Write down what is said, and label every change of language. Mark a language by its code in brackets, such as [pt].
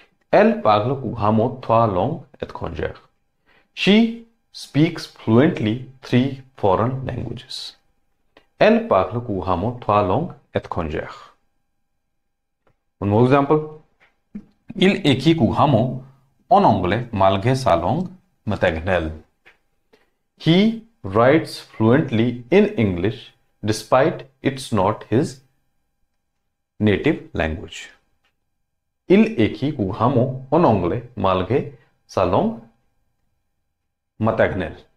[fr] Elle parle couramment trois langues étrangères. [en] She speaks fluently three foreign languages. [fr] Elle parle couramment trois langues étrangères. [en] One more example. [fr] Il écrit couramment en anglais malgré sa langue maternelle. [en] He writes fluently in English despite it's not his native language. [fr] Il écrit couramment en anglais malgré sa langue maternelle.